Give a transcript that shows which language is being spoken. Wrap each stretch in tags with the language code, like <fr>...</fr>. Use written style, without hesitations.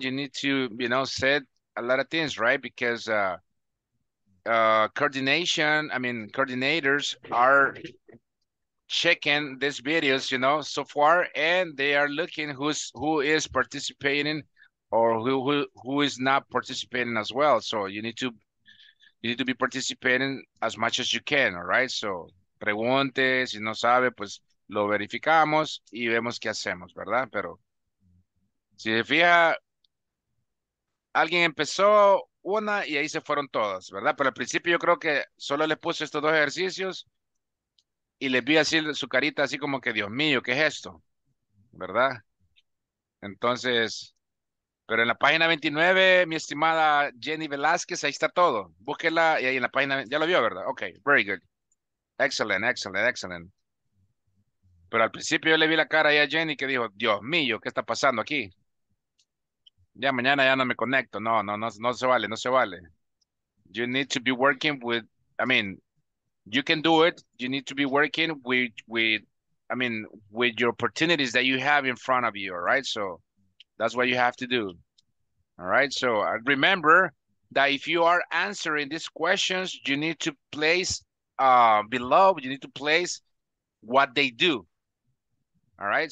<en>You need to, you know, set a lot of things, right? Because coordinators are checking these videos, you know, so far, and they are looking who is participating or who is not participating as well. So you need to. You need to be participating as much as you can, all right?</en> <es>So, pregunte, si no sabe, pues lo verificamos y vemos qué hacemos, ¿verdad? Pero, si se fija, alguien empezó una y ahí se fueron todas, ¿verdad? Pero al principio yo creo que solo les puse estos dos ejercicios y les vi así su carita, así como que, Dios mío, ¿qué es esto? ¿Verdad? Entonces... Pero en la página 29, mi estimada Jenny Velázquez, ahí está todo. Búsquela y ahí en la página, ya lo vio, ¿verdad?</es> <en>Ok, very good. Excellent, excellent, excellent.</en> <es>Pero al principio yo le vi la cara ahí a Jenny que dijo, Dios mío, ¿qué está pasando aquí? Ya mañana ya no me conecto. No se vale.</es> <en>You need to be working with, I mean, you can do it. You need to be working with your opportunities that you have in front of you, all right? So... That's what you have to do, all right? So remember that if you are answering these questions, you need to place below, you need to place what they do, all right?</en>